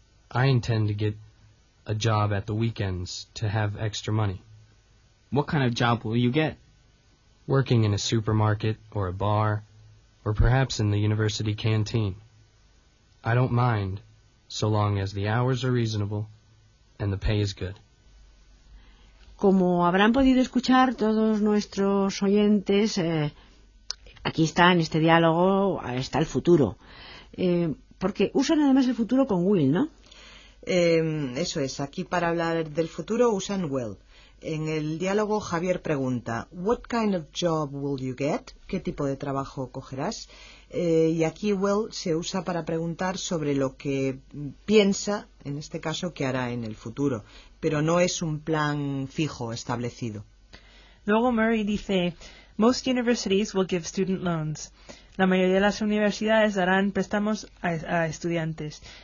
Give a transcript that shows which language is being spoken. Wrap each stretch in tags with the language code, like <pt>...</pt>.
<en>I intend to get a job at the weekends to have extra money. What kind of job will you get? Working in a supermarket or a bar, or perhaps in the university canteen. I don't mind, so long as the hours are reasonable and the pay is good.</en> <es>Como habrán podido escuchar todos nuestros oyentes, aquí está, en este diálogo, está el futuro. Porque usan además el futuro con will, ¿no? Eso es. Aquí para hablar del futuro usan will. En el diálogo Javier pregunta,</es> <en>what kind of job will you get?</en> <es>¿Qué tipo de trabajo cogerás? Y aquí will se usa para preguntar sobre lo que piensa, en este caso, que hará en el futuro. Pero no es un plan fijo, establecido. Luego Murray dice,</es> <en>most universities will give student loans.</en> <es>La mayoría de las universidades darán préstamos a estudiantes.</es>